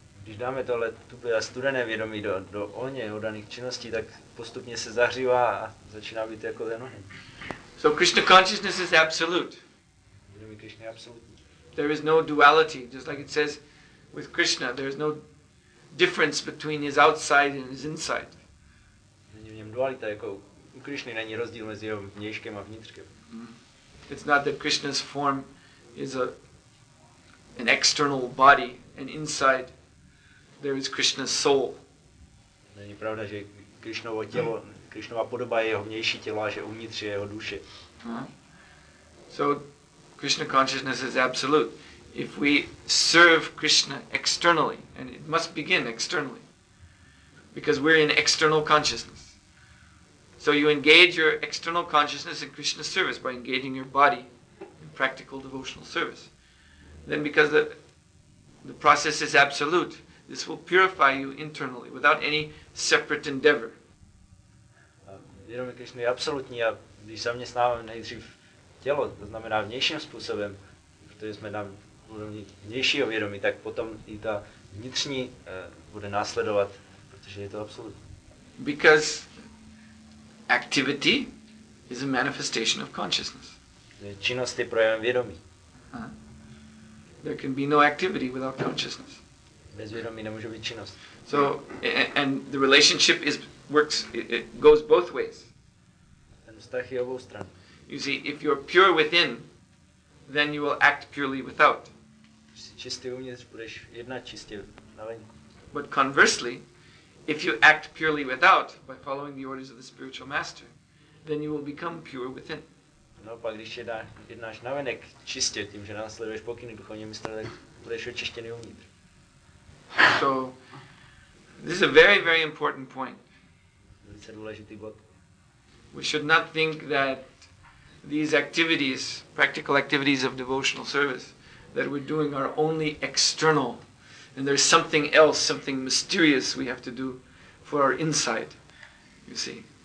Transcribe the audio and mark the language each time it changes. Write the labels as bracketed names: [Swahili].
[Czech] když dáme tohle tupé a studené vědomí do ohně, do daných činností, tak postupně se zahřívá a začíná být jako ten oheň. [English] So Krishna consciousness is absolute. [Czech] Vědomí Krishna je absolutní. [English] There is no duality, just like it says with Krishna, there is no difference between his outside and his inside. [Czech] Není v něm dualita, jako u Krishny není rozdíl mezi jeho vnějškem a vnitřkem. [English] It's not that Krishna's form is an external body, and inside there is Krishna's soul. [Czech] Není pravda, že Krishnovo tělo, Krishnova podoba je jeho vnější tělo, a že uvnitř je jeho duše. [English] So Krishna consciousness is absolute. If we serve Krishna externally, and it must begin externally, because we're in external consciousness. So you engage your external consciousness in Krishna's service by engaging your body in practical devotional service. Then because the process is absolute, this will purify you internally without any separate endeavor. [Czech] Vědomí Krishna je absolutní a když zaměstnáváme nejdřív tělo, to znamená vnějším způsobem, protože jsme na úrovni vnějšího vědomí, tak potom i ta vnitřní bude následovat, protože je to absolutní. [English] Because activity is a manifestation of consciousness. [Czech] Činnost je projevem vědomí. [English] There can be no activity without consciousness. [Czech] Bez vědomí nemůže být činnost. [English] So and the relationship it goes both ways. [Czech] Ten vztah je obou stran. [English] You see, if you're pure within, then you will act purely without. [Czech] Čistě uvnitř, budeš jednat čistě na venku. [English] But conversely, if you act purely without by following the orders of the spiritual master, then you will become pure within. [Czech] No, pak když jednáš navenek čistě tím, že následuješ pokyny duchovního mistra, tak budeš očištěný uvnitř. [English] So this is a very, very important point. [Czech] Velice důležitý bod. [English] We should not think that these activities, practical activities of devotional service, that we're doing are only external. And there's something else, something mysterious we have to do for our inside, you see.